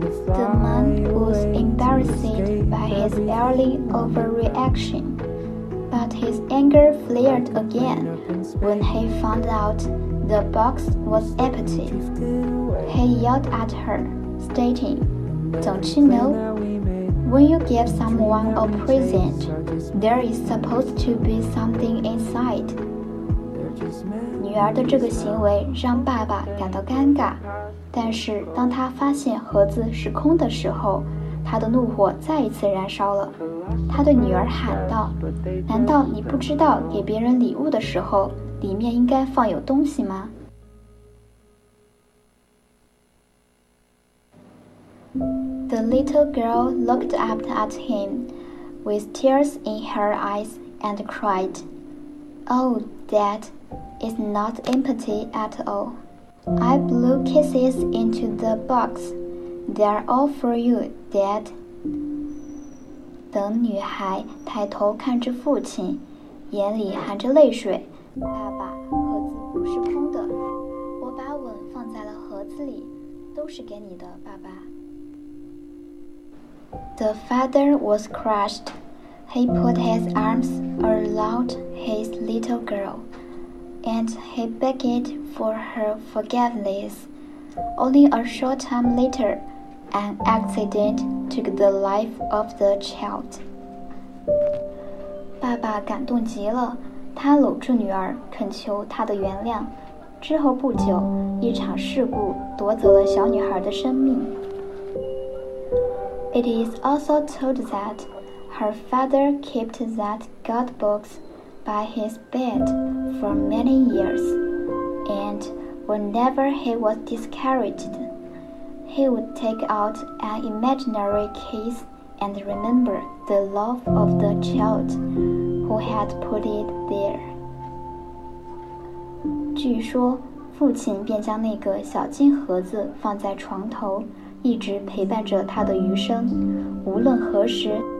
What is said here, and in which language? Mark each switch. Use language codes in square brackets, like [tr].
[en] The man was embarrassed by his early overreaction, but his anger flared again when he found out the box was empty. He yelled at her, stating, "Don't you know? When you give someone a present, there is supposed to be something inside." [zh] 女儿的这个行为让爸爸感到尴尬。但是当他发现盒子是空的时候，他的怒火再一次燃烧了。他对女儿喊道，难道你不知道给别人礼物的时候里面应该放有东西吗？ [en] The little girl looked up at him with tears in her eyes and cried, "Oh, Dad, it's not empty at all. I blew kisses into the box. They're all for you, Dad." [zh] 等女孩抬头看着父亲，眼里含着泪水，爸爸，盒子不是空的，我把吻放在了盒子里，都是给你的，爸爸。 [en] The father was crushed. He put his arms around his little girl, and he begged for her forgiveness. Only a short time later, an accident took the life of the child. [zh] 爸爸感动极了，他搂住女儿，恳求她的原谅。之后不久，一场事故夺走了小女孩的生命。 [en] It is also told that her father kept that God box by his bed for many years, and whenever he was discouraged, he would take out an imaginary kiss and remember the love of the child who had put it there. [zh] 据说，父亲便将那个小金盒子放在床头，一直陪伴着他的余生，无论何时。